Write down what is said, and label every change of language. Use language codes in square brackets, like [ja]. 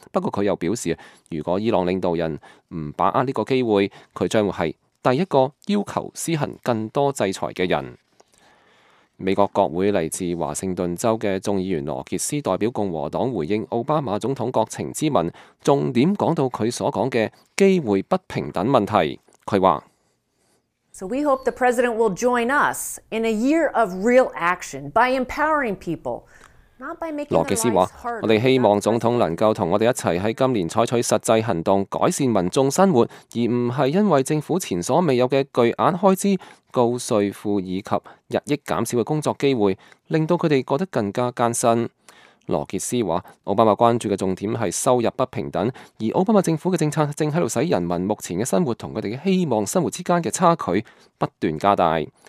[zh] 不过他又表示，如果伊朗领导人不把握这个机会，他将会是第一个要求施行更多制裁的人。美国国会来自华盛顿州的众议员罗杰斯代表共和党回应奥巴马总统国情之问，重点讲到他所讲的机会不平等问题。他说， [en] So we hope the president will join us in a year of real action by empowering people, not by making their lives harder. [zh] 我们希望总统能够同我们一起在今年采取实际行动改善民众生活，而不是因为政府前所未有的巨额开支、高税负以及日益减少的工作机会，令到他们过得更加艰辛。罗杰斯说，奥巴马关注的重点是收入不平等，而奥巴马政府的政策正在使人民目前的生活和他们的希望生活之间的差距不断加大。